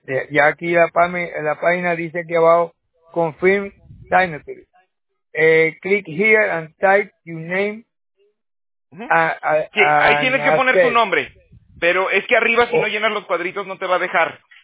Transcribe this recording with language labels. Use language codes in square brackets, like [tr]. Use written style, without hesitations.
[es] Ya aquí la página dice que abajo [en] confirm signature. Click here and type your name. [es] Ahí tienes que poner tu nombre. Pero es que arriba, si no llenas los cuadritos, no te va a dejar.